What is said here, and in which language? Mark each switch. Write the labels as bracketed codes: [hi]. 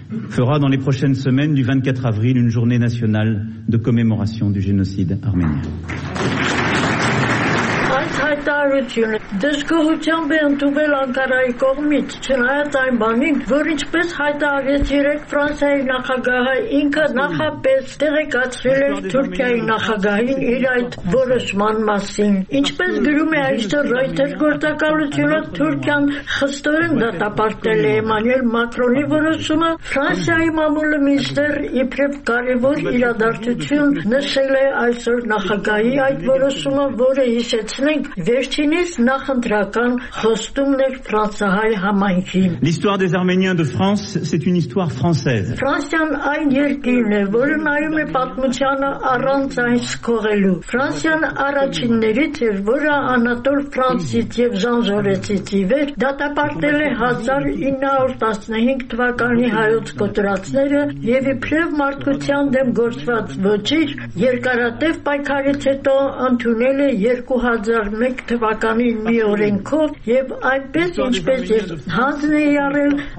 [fr] fera dans les prochaines semaines du 24 avril une journée nationale de commémoration du génocide arménien. [hy] Հայտարարությունը դժգոհությամբ է ընդունվել Անկարայի կողմից, չնայած այն բանին, որ ինչպես հայտարարեց երեկ Ֆրանսիայի նախագահը, ինքը նախապես տեղեկացրել էր Թուրքիայի նախագահին իր այդ որոշման մասին։ Ինչպես գրում է այսօր Ռոյթերս գործակալությունը, Թուրքիան խստորեն դատապարտել է Էմանուել Մակրոնի որոշումը։ Ֆրանսիայի մամուլը մինչդեռ իբրև կարևոր իրադարձություն նշել է այսօր նախագահի այդ որոշումը, որը հիշեցնենք վերջինիս նախընտրական խոստումներ ֆրանսահայ համայնքին։ [fr] L'histoire des Arméniens de France, c'est une histoire française. [hy] Ֆրանսիան այն երկիրն է, որը նայում է պատմությանը առանց այն սկողելու։ Ֆրանսիան առաջիններից էր, որը Անատոլ Ֆրանսից եւ Ժանժորեցից իվեր դատապարտել է 1915 թվականի հայոց կոտրածները եւ իբրև մարդկության դեմ գործված ոչինչ երկարատև պայքարից հետո ընդունել է 2001 թվականի մի օրենքով եւ այնպես ինչպես հանձն է առել